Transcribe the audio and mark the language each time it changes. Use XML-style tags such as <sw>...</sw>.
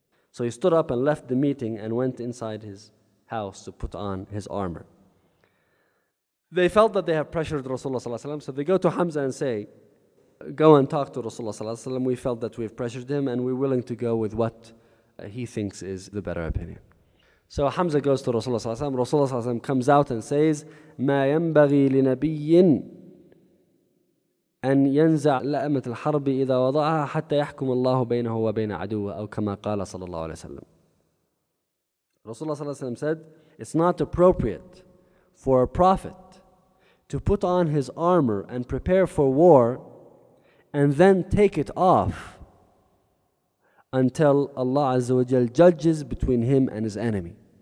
<en>So he stood up and left the meeting and went inside his house to put on his armor. They felt that they have pressured Rasulullah sallallahu alaihi wasallam, so they go to Hamza and say, go and talk to Rasulullah sallallahu alaihi wasallam. We felt that we've pressured him and we're willing to go with what he thinks is the better opinion. So Hamza goes to Rasulullah sallallahu alaihi wasallam.</en> <ar>Rasulullah sallallahu alaihi wasallam</ar> <en>comes out and says,</en> <ar>مَا يَنْبَغِي لِنَبِيٍّ أَنْ يَنْزَعْ لَأَمَةِ الْحَرْبِ إِذَا وَضَعَهَا حَتَّى يَحْكُمَ اللَّهُ بَيْنَهُ وَبَيْنَ عَدُوَّهُ أَوْ كَمَا قَالَ صَلَى اللَّهُ عَلَيْهِ وَسَلَّمَ.</ar> <en>Rasulullah sallallahu alaihi wasallam said, it's not appropriate for a prophet to put on his armor and prepare for war and then take it off until Allah Azza wa Jal judges between him and his enemy.</en>